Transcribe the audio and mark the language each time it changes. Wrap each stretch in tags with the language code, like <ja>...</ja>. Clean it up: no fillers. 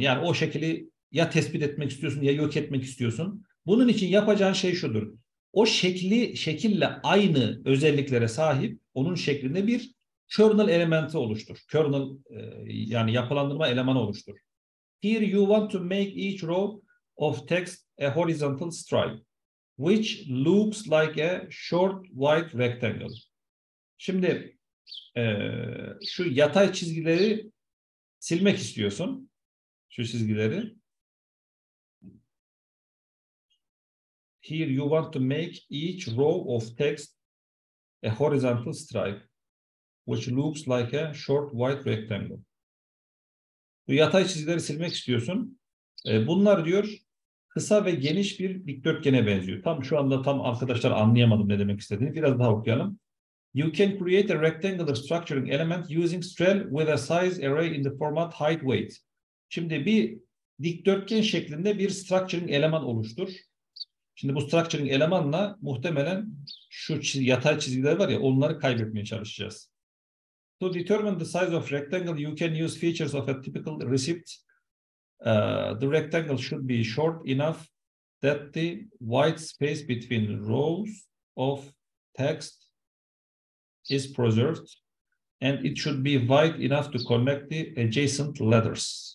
<tr>Yani o şekili ya tespit etmek istiyorsun ya yok etmek istiyorsun. Bunun için yapacağın şey şudur. O şekille aynı özelliklere sahip onun şeklinde bir kernel elementi oluştur. Kernel yani yapılandırma elemanı oluştur.</tr> <en>Here you want to make each row of text a horizontal stripe, which looks like a short white rectangle.</en> <tr>Şimdi şu yatay çizgileri silmek istiyorsun. Şu çizgileri.</tr> <en>Want to make each row of text a horizontal stripe, which looks like a short white rectangle.</en> <tr>Bu yatay çizgileri silmek istiyorsun. Bunlar diyor kısa ve geniş bir dikdörtgene benziyor. Tam şu anda arkadaşlar anlayamadım ne demek istediğini. Biraz daha okuyalım.</tr> <en>You can create a rectangular structuring element using strel with a size array in the format height weight.</en> <tr>Şimdi bir dikdörtgen şeklinde bir structuring eleman oluştur. Şimdi bu structuring elemanla muhtemelen şu yatay çizgiler var ya onları kaybetmeye çalışacağız.</tr> <en>To determine the size of rectangle, you can use features of a typical receipt. The rectangle should be short enough that the white space between rows of text is preserved, and it should be wide enough to connect the adjacent letters.</en>